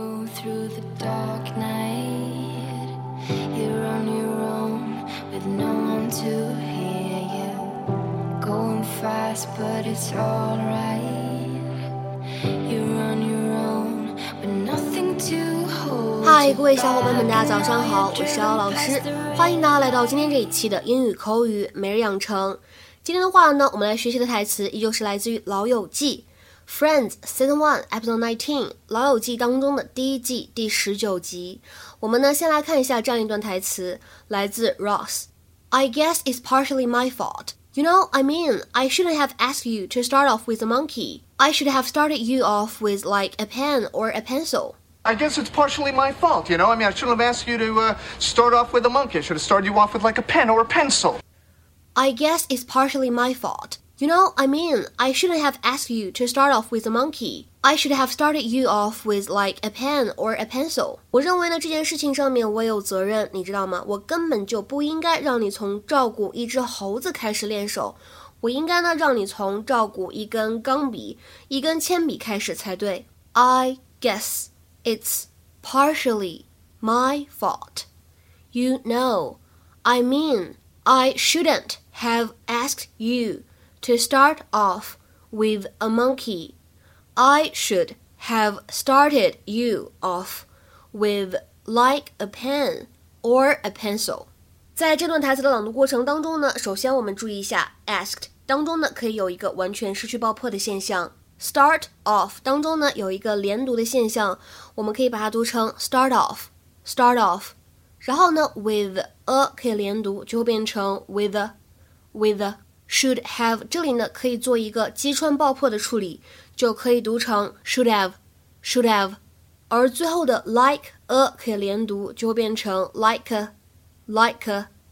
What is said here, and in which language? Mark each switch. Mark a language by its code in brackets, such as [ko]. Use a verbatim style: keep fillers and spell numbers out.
[en] through the dark night, here on your own, with no one to hear you. Going fast, but it's alright. You're on your own, with nothing to hold. [zh] 嗨，各位小伙伴们，大家早上好，我是姚老师，欢迎大家来到今天这一期的英语口语每日养成。今天的话呢，我们来学习的台词依旧是来自于《老友记》。 [en] Friends Season one Episode nineteen [zh] 老友记当中的第一季第十九集，我们呢先来看一下这样一段台词，来自 Ross。 [en] I guess it's partially my fault. You know, I mean, I shouldn't have asked you to start off with a monkey. I should have started you off with like a pen or a pencil. I guess it's partially my fault, you know? I mean, I shouldn't have asked you to uh, start off with a monkey. I should have started you off with like a pen or a pencil. I guess it's partially my fault. You know, I mean, I shouldn't have asked you to start off with a monkey. I should have started you off with like a pen or a pencil. [zh] 我认为呢，这件事情上面我也有责任，你知道吗？我根本就不应该让你从照顾一只猴子开始练手，我应该呢让你从照顾一根钢笔、一根铅笔开始才对。 [en] I guess it's partially my fault. You know, I mean, I shouldn't have asked you. To start off with a monkey, I should have started you off with like a pen or a pencil. [zh] 在这段台词的朗读过程当中呢，首先我们注意一下 asked 当中呢可以有一个完全失去爆破的现象， start off 当中呢有一个连读的现象，我们可以把它读成 [en] start off, start off. [zh] 然后呢 with a 可以连读，就会变成 [en] with a, with a. [zh] Should have 这里呢可以做一个击穿爆破的处理，就可以读成 [en] should have, should have， [zh] 而最后的 like a 可以连读，就会变成 [en] like a, like a。